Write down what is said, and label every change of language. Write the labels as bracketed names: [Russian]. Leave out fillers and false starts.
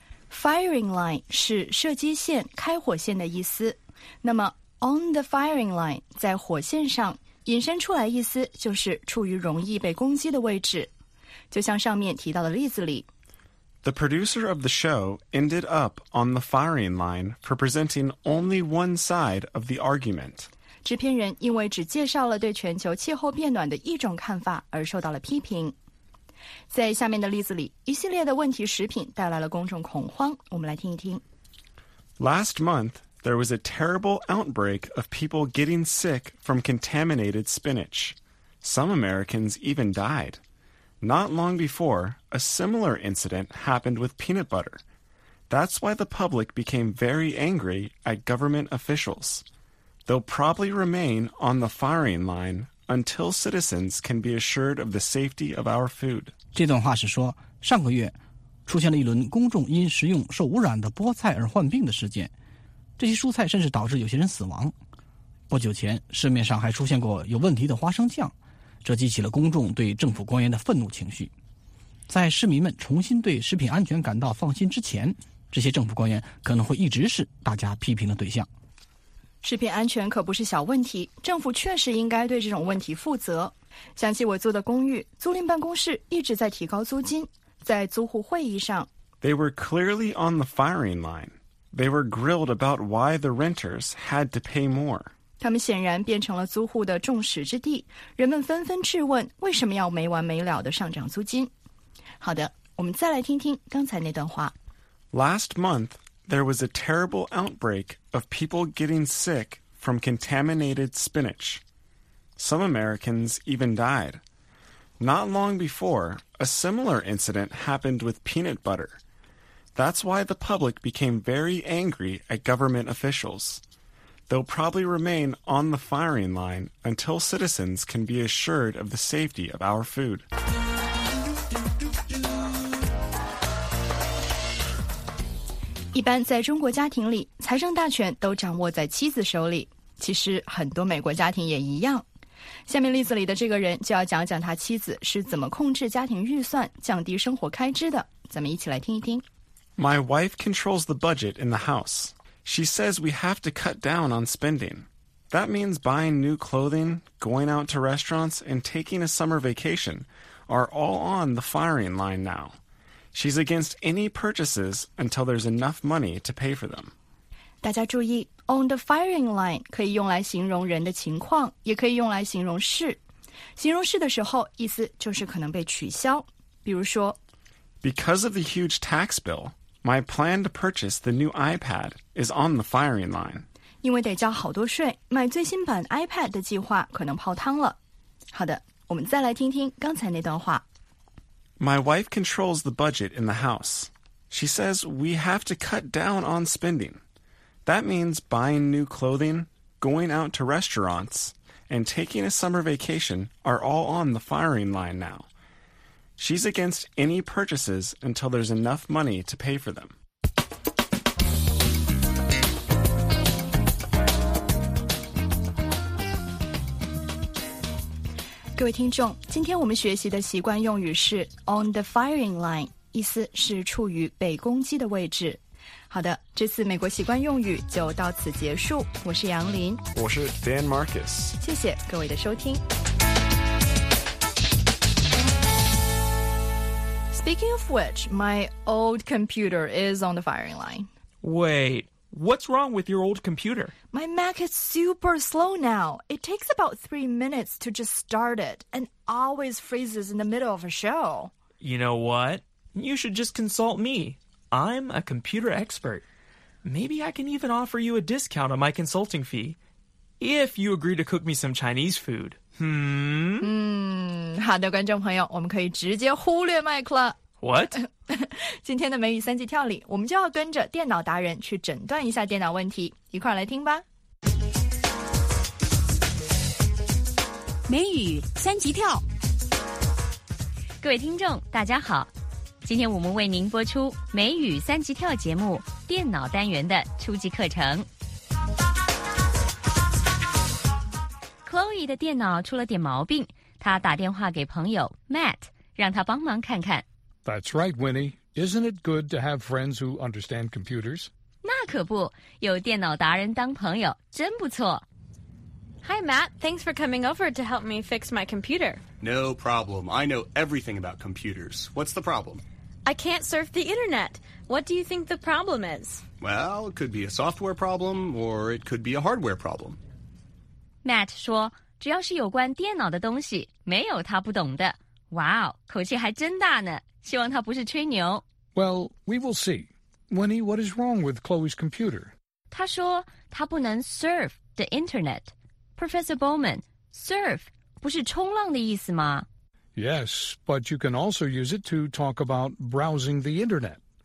[Chinese] Firing line 是射击线、开火线的意思。那么 [English] On the firing line, [Chinese] 在火线上引申出来意思就是处于容易被攻击的位置。就像上面提到的例子里。 [English] The producer of the show ended up on the firing line for presenting only one side of the argument. [Chinese] 制片人因为只介绍了对全球气候变暖的一种看法而受到了批评。在下面的例子里，一系列的问题食品带来了公众恐慌。我们来听一听。 [English] Last month,There was a terrible outbreak of people getting sick from contaminated spinach. Some Americans even died. Not long before, a similar incident happened with peanut butter. That's why the public became very angry at government officials. They'll probably remain on the firing line until citizens can be assured of the safety of our food. [Chinese] 这段话是说，上个月出现了一轮公众因食用受污染的菠菜而患病的事件。这些蔬菜甚至导致有些人死亡。不久前，市面上还出现过有问题的花生酱，这激起了公众对政府官员的愤怒情绪。在市民们重新对食品安全感到放心之前，这些政府官员可能会一直是大家批评的对象。食品安全可不是小问题，政府确实应该对这种问题负责。想起我租的公寓，租赁办公室一直在提高租金，在租户会议上。 [English] They were clearly on the firing line. They were grilled about why the renters had to pay more. [Chinese] 他们显然变成了租户的众矢之的，人们纷纷质问为什么要没完没了地上涨租金。好的，我们再来听听刚才那段话。 [English] Last month, there was a terrible outbreak of people getting sick from contaminated spinach. Some Americans even died. Not long before, a similar incident happened with peanut butter. That's why the public became very angry at government officials. They'll probably remain on the firing line until citizens can be assured of the safety of our food. [Chinese] 一般在中国家庭里，财政大权都掌握在妻子手里。其实很多美国家庭也一样。下面例子里的这个人就要讲讲他妻子是怎么控制家庭预算、降低生活开支的。咱们一起来听一听。 [English] My wife controls the budget in the house. She says we have to cut down on spending. That means buying new clothing, going out to restaurants, and taking a summer vacation are all on the firing line now. She's against any purchases until there's enough money to pay for them. [Chinese] 大家注意 , [English] on the firing line [Chinese] 可以用来形容人的情况，也可以用来形容事。形容事的时候，意思就是可能被取消。比如说 [English] ,Because of the huge tax bill, my plan to purchase the new iPad is on the firing line. [Chinese] 因为得交好多税，买最新版 iPad 的计划可能泡汤了。好的，我们再来听听刚才那段话。 [English] My wife controls the budget in the house. She says we have to cut down on spending. That means buying new clothing, going out to restaurants, and taking a summer vacation are all on the firing line now. She's against any purchases until there's enough money to pay for them. [Chinese] 各位听众，今天我们学习的习惯用语是 [English] on the firing line， [Chinese] 意思是处于被攻击的位置。好的，这次美国习惯用语就到此结束。我是杨林，我是 Dan Marcus，谢谢各位的收听。 [English] Speaking of which, my old computer is on the firing line. Wait. What's wrong with your old computer? My Mac is super slow now. It takes about 3 minutes to just start it and always freezes in the middle of a show. You know what? You should just consult me. I'm a computer expert. Maybe I can even offer you a discount on my consulting fee if you agree to cook me some Chinese food. [Chinese] 好的，观众朋友，我们可以直接忽略麦克了。 [English] What? [Chinese] 今天的美语三级跳里，我们就要跟着电脑达人去诊断一下电脑问题，一块来听吧。美语三级跳，各位听众大家好，今天我们为您播出美语三级跳节目电脑单元的初级课程。 Chloe 的电脑出了点毛病，她打电话给朋友 Matt， 让他帮忙看看。 [English] That's right, Winnie. Isn't it good to have friends who understand computers? [Chinese] 那可不，有电脑达人当朋友，真不错。 [English] Hi, Matt. Thanks for coming over to help me fix my computer. No problem. I know everything about computers. What's the problem? I can't surf the internet. What do you think the problem is? Well, it could be a software problem, or it could be a hardware problem. [Chinese] Matt 说，只要是有关电脑的东西，没有他不懂的。哇哦，口气还真大呢。希望他不是吹牛。 [English] Well, we will see. Winnie, what is wrong with Chloe's computer? [Chinese] 他说他不能 [English] surf the internet. [Chinese] Professor Bowman, surf 不是冲浪的意思吗？ [English] Yes, but you can also use it to talk about browsing the internet.